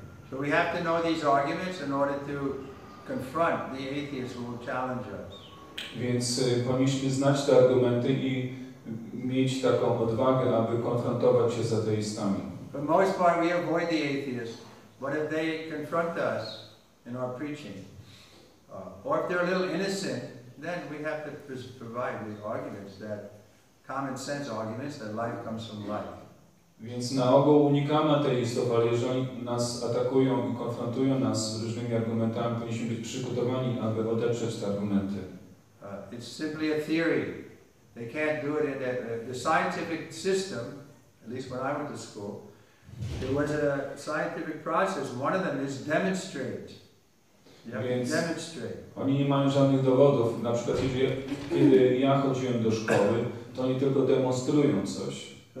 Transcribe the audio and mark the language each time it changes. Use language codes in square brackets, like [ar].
[en] So we have to know these arguments in order to confront the atheists who will challenge us. [pl] Więc powinniśmy znać te argumenty i mieć taką odwagę, aby konfrontować się z ateistami. [en] For the most part we avoid the atheists, but if they confront us in our preaching, or if they're a little innocent, then we have to provide the arguments, that common sense arguments, that life comes from life. [pl] Więc na ogół unikamy ateistów, ale jeżeli nas atakują i konfrontują nas z różnymi argumentami, powinniśmy być przygotowani, aby odeprzeć te argumenty. [en] It's simply a theory. They can't do it in the scientific system, at least when I went to school, there was a scientific process. One of them is demonstrate. [pl] Więc oni nie mają żadnych dowodów. Na przykład kiedy ja chodziłem do szkoły, to oni tylko demonstrują coś.